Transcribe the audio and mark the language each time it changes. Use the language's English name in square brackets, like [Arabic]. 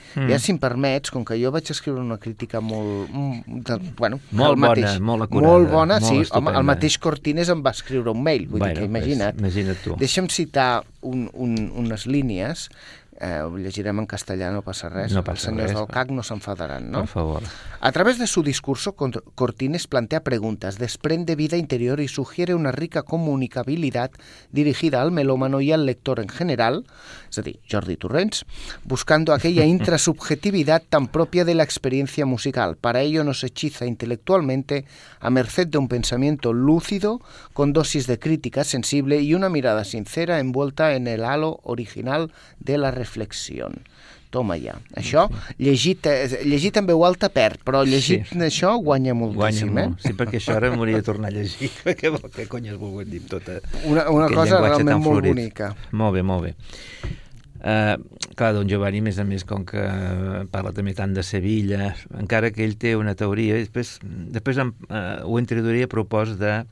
[Catalan] Ja, si em permets, com que jo vaig escriure una crítica molt bona, molt acurada, molt bona, estupenda. El mateix Cortines em va escriure un mail, imagina't tu. Deixa'm citar unes línies. Ho llegirem en castellà, no passa res. No passa Els senyors res, del CAC no s'enfadaran, no? Per favor. [Spanish] A través de su discurso, Cortines plantea preguntas, desprende vida interior y sugiere una rica comunicabilidad dirigida al melómano y al lector en general, es a dir, Jordi Torrents, buscando aquella intrasubjetividad tan propia de la experiencia musical. Para ello nos hechiza intelectualmente a merced de un pensamiento lúcido con dosis de crítica sensible y una mirada sincera envuelta en el halo original de la reflexión. [Catalan] Toma ja. Això, llegir també ho alta perd, però llegir això guanya moltíssim. Guanya molt. Eh? Sí, perquè això ara m'hauria de tornar a llegir. Què cony has volgut dir tota? Una cosa realment molt bonica. Molt bé, molt bé. Clar, Don Giovanni, més a més, com que parla també tant de Sevilla, encara que ell té una teoria, i després ho introduiré a propòsit de...